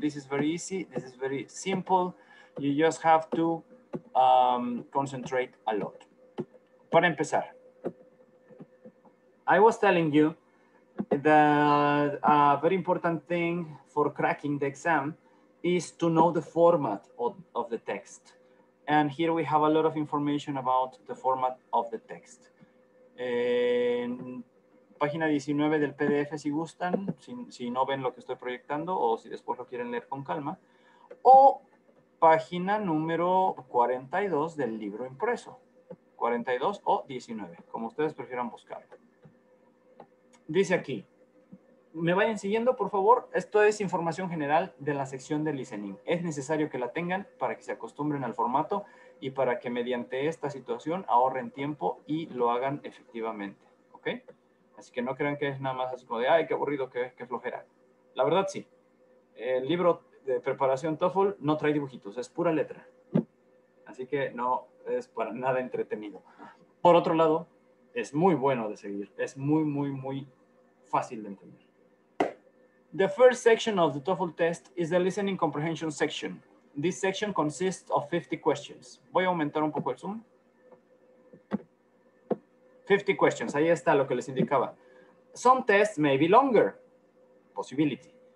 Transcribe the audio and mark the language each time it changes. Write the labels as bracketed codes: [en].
[en] This is very easy, this is very simple. You just have to concentrate a lot. [es] Para empezar, [en] I was telling you that a very important thing for cracking the exam is to know the format of the text. And here we have a lot of information about the format of the text. [es] En página 19 del PDF, si gustan, si no ven lo que estoy proyectando o si después lo quieren leer con calma, o página número 42 del libro impreso, 42 o 19, como ustedes prefieran buscarlo. Dice aquí, me vayan siguiendo, por favor. Esto es información general de la sección de listening. Es necesario que la tengan para que se acostumbren al formato y para que mediante esta situación ahorren tiempo y lo hagan efectivamente. ¿Ok? Así que no crean que es nada más así como de, ay, qué aburrido, qué flojera. La verdad, sí. El libro de preparación TOEFL no trae dibujitos, es pura letra. Así que no es para nada entretenido. Por otro lado, es muy bueno de seguir. Es muy, muy, muy fácil de entender. [en] The first section of the TOEFL test is the listening comprehension section. This section consists of 50 questions. [es] Voy a aumentar un poco el zoom. [en] 50 questions. [es] Ahí está lo que les indicaba. [en] Some tests may be longer. Possibility.